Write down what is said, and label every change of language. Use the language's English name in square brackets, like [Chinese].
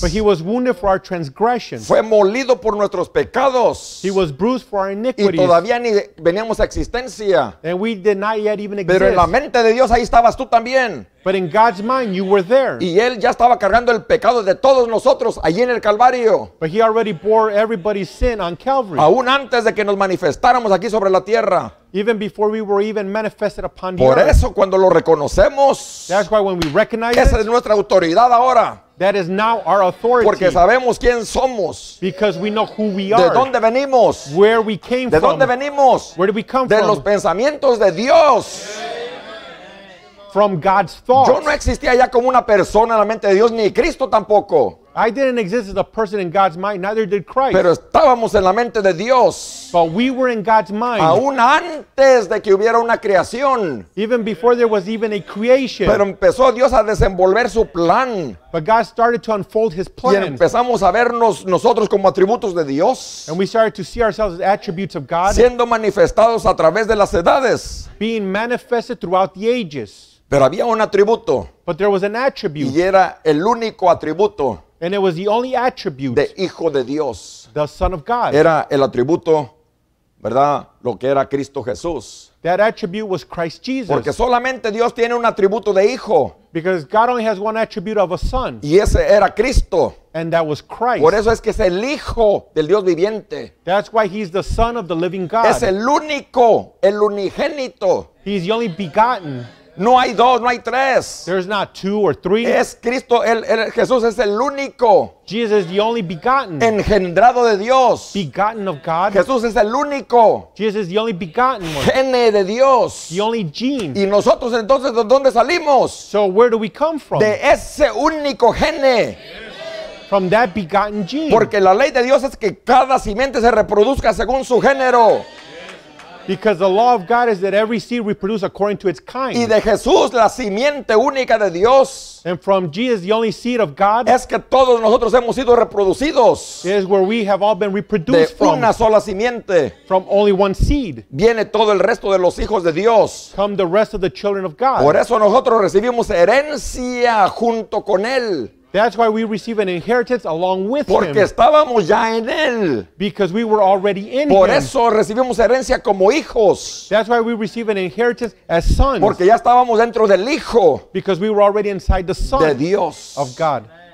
[English] But he was wounded for our transgressions. [Spanish] Fue molido por nuestros pecados. [English] He was bruised for our iniquities. [Spanish] Y todavía ni veníamos a existencia. [English] And we did not yet even exist. [Spanish] Pero en la mente de Dios ahí estabas tú también. [English] But in God's mind, you were there. [Spanish] Y él ya estaba cargando el pecado de todos nosotros allí en el Calvario. [English] But he already bore everybody's sin on Calvary. [Spanish] Aún antes de que nos manifestáramos aquí sobre la tierra. [English] Even before we were even manifested upon the [Spanish] Por [English] earth. [Spanish] Eso cuando lo reconocemos. [English] That's why when we recognize [Spanish] esa es nuestra autoridad ahora. [English] That is now our authority. [Spanish] Porque sabemos quién somos. [English] Because we know who we are. [Spanish] De dónde venimos. [English] Where we came [Spanish] de [English] from. [Spanish] De dónde venimos. [English] Where did we come [Spanish] de [English] from. [Spanish] De los pensamientos de Dios. [English] From God's thoughts. [Spanish] Yo no existía ya como una persona en la mente de Dios, ni Cristo tampoco. [English] I didn't exist as a person in God's mind, neither did Christ. [Spanish] Pero estábamos en la mente de Dios. [English] But we were in God's mind. [Spanish] Aún antes de que hubiera una creación. [English] Even before there was even a creation. [Spanish] Pero empezó Dios a desenvolver su plan. [English] But God started to unfold his plan. [Spanish] Y empezamos a vernos nosotros como atributos de Dios. [English] And we started to see ourselves as attributes of God. [Spanish] Siendo manifestados a través de las edades. [English] Being manifested throughout the ages. [Spanish] Pero había un atributo. [English] But there was an attribute. [Spanish] Y era el único atributo. [English] And it was the only attribute. [Spanish] De Hijo de Dios. [English] The Son of God. [Spanish] Era el atributo, ¿verdad? Lo que era Cristo Jesús. [English] That attribute was Christ Jesus. [Spanish] Porque solamente Dios tiene un atributo de Hijo. [English] Because God only has one attribute of a Son. [Spanish] Y ese era Cristo. [English] And that was Christ. [Spanish] Por eso es que es el Hijo del Dios viviente. [English] That's why he's the Son of the living God. [Spanish] Es el único, el unigénito. [English] He's the only begotten. [Spanish] No hay dos, no hay tres. [English] There's not two or three. [Spanish] Es Cristo, el Jesús es el único. [English] Jesus is the only begotten. [Spanish] Engendrado de Dios. [English] Begotten of God. [Spanish] Jesús es el único. [English] Jesus is the only begotten one. [Spanish] Gene de Dios. [English] The only gene. [Spanish] Y nosotros entonces, ¿de dónde salimos? [English] So where do we come from? [Spanish] De ese único gene. [English] From that begotten gene. [Spanish] Porque la ley de Dios es que cada simiente se reproduzca según su género. [English] Because the law of God is that every seed reproduces according to its kind. [Spanish] Y de Jesús, la simiente única de Dios. [English] And from Jesus, the only seed of God. [Spanish] Es que todos nosotros hemos sido reproducidos. [English] Is where we have all been reproduced [Spanish] de [English] from. [Spanish] De una sola simiente. [English] From only one seed. [Spanish] Viene todo el resto de los hijos de Dios. [English] Come the rest of the children of God. [Spanish] Por eso nosotros recibimos herencia junto con Él. [English] That's why we receive an inheritance along with [Spanish] Porque [English] him. [Spanish] Estábamos ya en él. [English] Because we were already in [Spanish] Por [English] him. [Spanish] Eso recibimos herencia como hijos. [English] That's why we receive an inheritance as sons. [Spanish] Porque ya estábamos dentro del hijo. [English] Because we were already inside the son [Spanish] de Dios. [English] Of God.